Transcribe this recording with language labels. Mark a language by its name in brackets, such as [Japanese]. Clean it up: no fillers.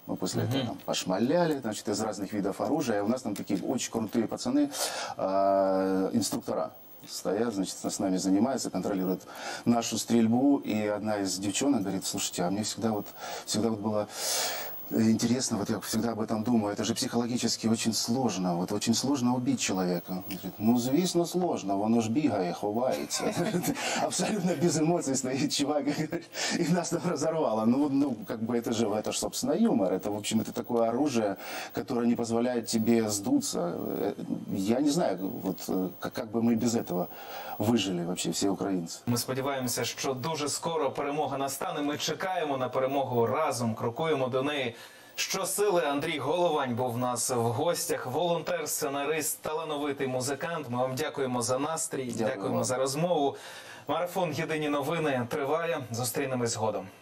[Russian] Мы после этого там пошмаляли, значит, из разных видов оружия. И у нас там такие очень крутые пацаны, инструктора. Стоят, значит, с нами занимаются, контролируют нашу стрельбу. И одна из девчонок говорит, слушайте, а мне всегда вот было интересно, вот я всегда об этом думаю, это же психологически очень сложно, вот очень сложно убить человека. Говорит, ну, [Ukrainian] звісно, [Russian] сложно, [Ukrainian] воно ж бігає, ховається. [Russian] Абсолютно без эмоций стоит чувак и нас там разорвало. Ну, как бы это же, собственно, юмор. Это, в общем, это такое оружие, которое не позволяет тебе сдуться. Я не знаю, вот как бы мы без этого выжили вообще все украинцы. [Ukrainian] Мы сподіваємося, що дуже скоро перемога настане. Ми чекаємо на перемогу разом, крокуємо до неї. Щосили, Андрій Головань був у нас в гостях. Волонтер, сценарист, талановитий музикант. Ми вам дякуємо за настрій, дякуємо за розмову. Марафон «Єдині новини» триває. Зустрінемось згодом.